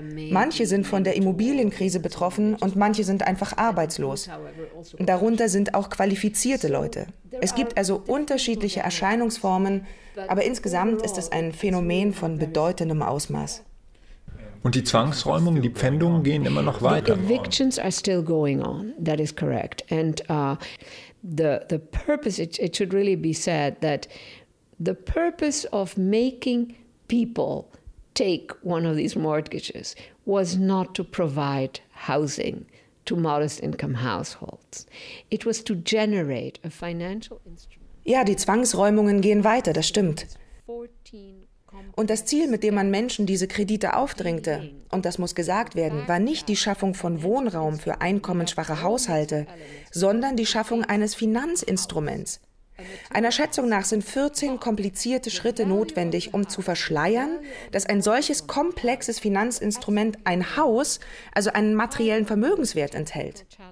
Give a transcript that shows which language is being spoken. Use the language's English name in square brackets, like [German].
[German] Manche sind von der Immobilienkrise betroffen und manche sind einfach arbeitslos. Darunter sind auch qualifizierte Leute. Es gibt also unterschiedliche Erscheinungsformen, aber insgesamt ist es ein Phänomen von bedeutendem Ausmaß. Und die Zwangsräumungen, die Pfändungen gehen immer noch weiter. [English] The evictions are still going on. That is correct. And the purpose, it should really be said that the purpose of making people take one of these mortgages was not to provide housing to modest income households. It was to generate a financial instrument. [German] Ja, die Zwangsräumungen gehen weiter, das stimmt. Und das Ziel, mit dem man Menschen diese Kredite aufdrängte, und das muss gesagt werden, war nicht die Schaffung von Wohnraum für einkommensschwache Haushalte, sondern die Schaffung eines Finanzinstruments. Einer Schätzung nach sind 14 komplizierte Schritte notwendig, um zu verschleiern, dass ein solches komplexes Finanzinstrument ein Haus, also einen materiellen Vermögenswert, enthält.